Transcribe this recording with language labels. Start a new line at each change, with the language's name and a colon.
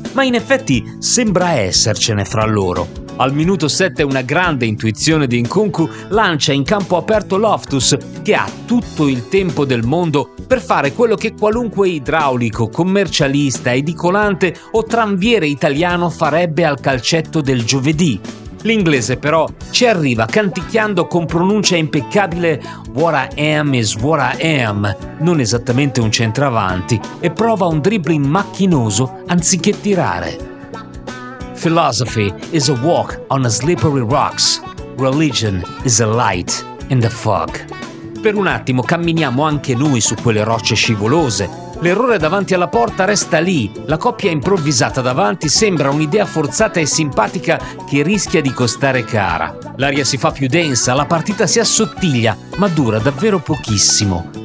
Italian: Ma in effetti sembra essercene fra loro. Al minuto 7 una grande intuizione di Nkunku lancia in campo aperto Loftus, che ha tutto il tempo del mondo per fare quello che qualunque idraulico, commercialista, edicolante o tranviere italiano farebbe al calcetto del giovedì. L'inglese però ci arriva canticchiando con pronuncia impeccabile
English: «What I am is what I am»,
Italian: non esattamente un centravanti, e prova un dribbling macchinoso anziché tirare.
English: Philosophy is a walk on a slippery rocks. Religion is a light in the fog.
Italian: Per un attimo camminiamo anche noi su quelle rocce scivolose. L'errore davanti alla porta resta lì. La coppia improvvisata davanti sembra un'idea forzata e simpatica che rischia di costare cara. L'aria si fa più densa, la partita si assottiglia, ma dura davvero pochissimo.